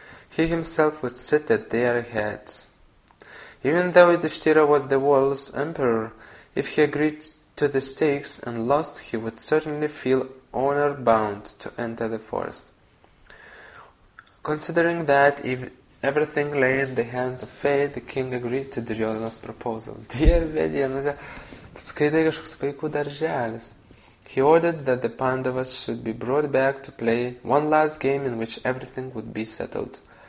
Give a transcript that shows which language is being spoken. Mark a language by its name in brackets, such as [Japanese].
[English] He himself would sit at their head. Even though Yudhishthira was the world's emperor, if he agreed to the stakes and lost, he would certainly feel honor-bound to enter the forest. Considering that if everything lay in the hands of fate, the king agreed to Duryodhana's proposal. [Lithuanian] Dieve, Dieve, skaitai kažkoks vaikų darželis. [English] He ordered that the Pandavas should be brought back to play one last game in which everything would be settled.